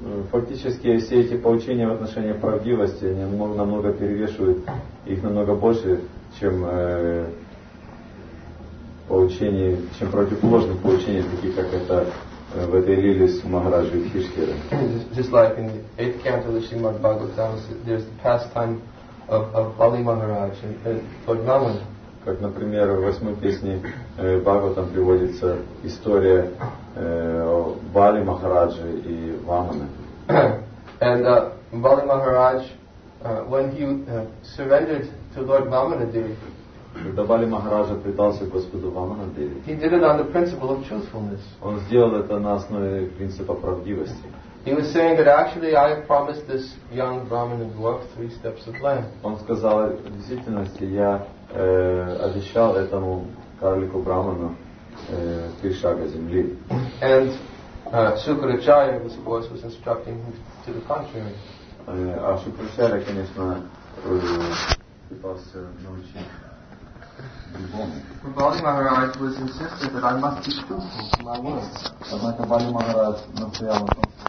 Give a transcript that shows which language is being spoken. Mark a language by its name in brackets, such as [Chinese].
[Russian] Фактически все эти поучения в отношении правдивости, они намного перевешивают их намного больше, чем поучение, чем противоположных поучений, таких как это в этой лиле с Махараджа Юдхиштхира. [English] Just like in the eighth canto of Srimad Bhagavatam, there's the pastime of Bali Maharaj and Lord Naman. [Russian] Как, например, в восьмой песне Бхагаватам приводится история Бали Махараджи и Вамана. [English] And Bali Maharaj, when he surrendered to Lord Vamanadevi, [Russian] когда Бали Махараджа предался Господу Ваманадеви, [English] he did it on the principle of truthfulness. [Russian] Он сделал это на основе принципа правдивости. [English] He was saying that actually I have promised this young Brahmin and dwarf three steps of land. [Russian] Он сказал, в действительности я обещал этому карлику Брахману три шага земли. [English] And Sukracharya, of course, was instructing him to the contrary. [Russian] А Sukracharya, конечно, пытался научить любому. [English] Bali Maharaj was insisted that I must be truthful to my words. [Russian] Однако Бали Махарадж настоял на том,